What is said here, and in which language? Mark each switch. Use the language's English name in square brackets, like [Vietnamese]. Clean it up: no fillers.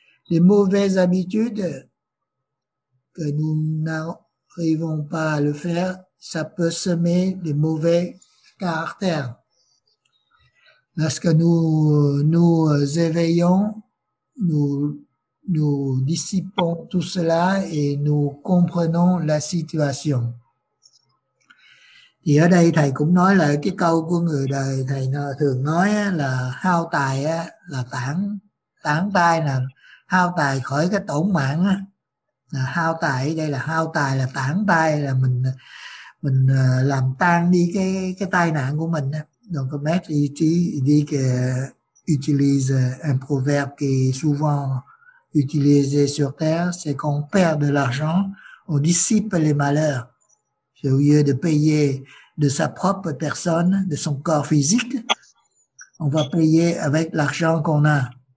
[French] Les mauvaises habitudes, que nous n'arrivons pas à le faire, ça peut semer des mauvais caractères. Lorsque nous éveillons, nous dissipons tout cela et nous comprenons la situation. [Vietnamese] Thì ở đây thầy cũng nói là cái câu của người đời thầy thường nói là hao tài là tán tai, là hao tài khỏi cái tổn mạng á, là hao tài, đây là hao tài là tán tai, là mình làm tan đi cái tai nạn của mình á. [French] Donc maître dit que utilise un proverbe qui est souvent utilisé sur terre, c'est qu'on perd de l'argent, on dissipe les malheurs. Au lieu de payer de sa propre personne, de son corps physique, on va payer avec l'argent qu'on a.